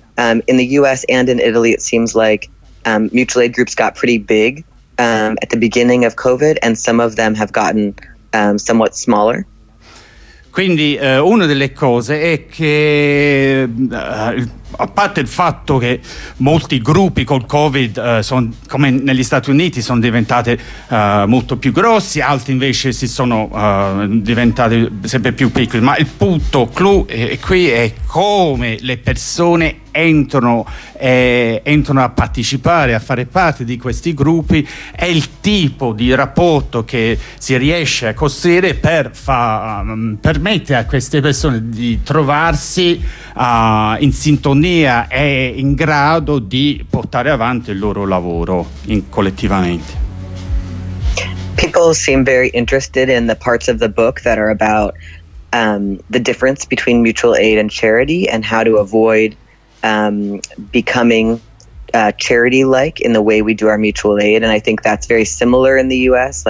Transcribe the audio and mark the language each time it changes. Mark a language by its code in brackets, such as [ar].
[en] In the US and in Italy, it seems like mutual aid groups got pretty big at the beginning of COVID, and some of them have gotten somewhat smaller. [it] Quindi una delle cose è che, a parte il fatto che molti gruppi col Covid, son, come negli Stati Uniti, sono diventate molto più grossi, altri invece si sono diventati sempre più piccoli, ma il punto clou qui è come le persone entrano a partecipare, a fare parte di questi gruppi, e il tipo di rapporto che si riesce a costruire permettere a queste persone di trovarsi in sintonia e in grado di portare avanti il loro lavoro collettivamente. [en] People seem very interested in the parts of the book that are about the difference between mutual aid and charity and how to avoid becoming charity-like in the way we do our mutual aid, and I think that's very similar in the U.S.